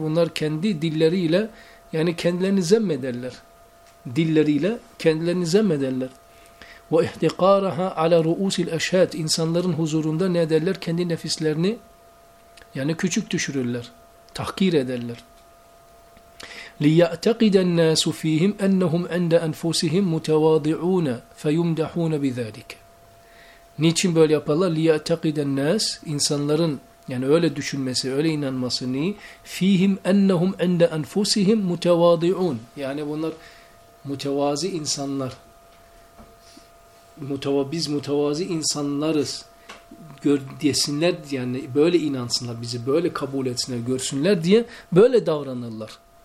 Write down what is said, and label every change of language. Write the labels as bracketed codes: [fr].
[tr] Bunlar kendi dilleriyle, yani kendilerini zemmederler. Dilleriyle kendilerini zemmederler. [ar] وَاِحْتِقَارَهَا عَلَى رُؤُوسِ الْاَشْهَدِ [tr] insanların huzurunda ne ederler? Kendi nefislerini yani küçük düşürürler, tahkir ederler. [ar] لِيَعْتَقِدَ النَّاسُ ف۪يهِمْ اَنَّهُمْ عَنْدَ أَنْفُسِهِمْ مُتَوَاضِعُونَ فَيُمْدَحُونَ بِذَٰلِكَ [tr] niçin böyle yaparlar? [ar] لِيَعْتَقِدَ النَّاسُ [tr] insanların yani öyle düşünmesi, öyle inanmasını [ar] ف۪يهِمْ اَنَّهُمْ عَنْدَ أَنْفُسِهِمْ مُتَوَاضِعُونَ [tr] yani bunlar mütevazi insanlar. Biz mütevazi insanlarız. Desinler yani böyle inansınlar, bizi böyle kabul etsinler, görsünler diye böyle davranırlar.